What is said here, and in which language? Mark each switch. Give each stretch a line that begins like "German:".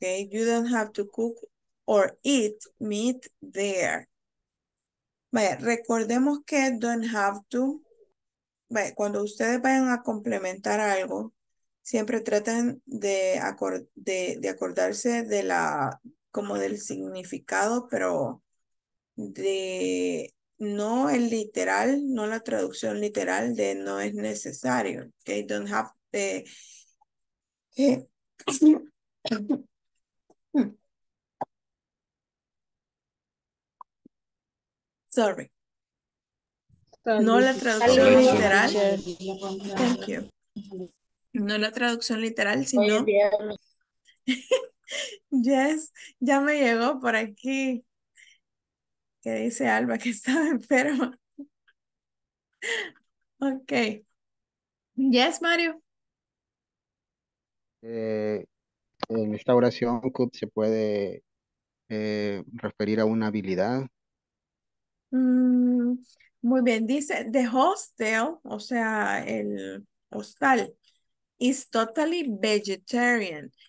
English: You don't have to cook or eat meat there.
Spanish: Vaya, recordemos que
English: don't have to.
Spanish: Vaya, cuando ustedes vayan a complementar algo, siempre traten de acordarse de la, como del significado, pero de... No el literal, no la traducción literal de no es necesario.
English: Okay, don't have the... Sorry.
Spanish: No la traducción literal.
English: Thank you.
Spanish: No la traducción literal, sino...
English: Yes,
Spanish: ya me llegó por aquí. Que dice Alba que estaba enferma.
English: Ok. Yes, Mario.
Spanish: En esta oración, Cup, ¿se puede referir a una habilidad? Muy bien. Dice,
English: the hostel,
Spanish: o sea, el hostal,
English: is totally vegetarian.